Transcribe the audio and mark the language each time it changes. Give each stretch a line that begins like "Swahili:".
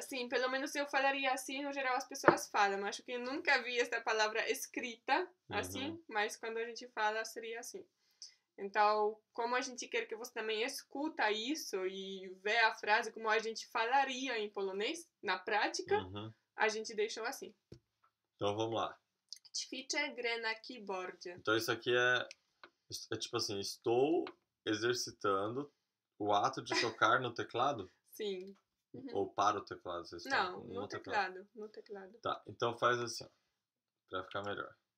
Portuguese: Sim, pelo menos eu falaria assim, no geral as pessoas falam, mas acho que nunca vi esta palavra escrita assim, mas quando a gente fala seria assim. Então, como a gente quer que você também escuta isso e vê a frase como a gente falaria em polonês na prática, a gente deixou assim. Então vamos lá.
Polish: Ćwiczę grę na keyboardzie.
Portuguese: Então isso aqui é tipo assim, estou exercitando o ato de tocar no teclado? Sim. Ou para o teclado, você está Não, no no teclado. teclado, no teclado. Tá, então faz assim, para ficar melhor.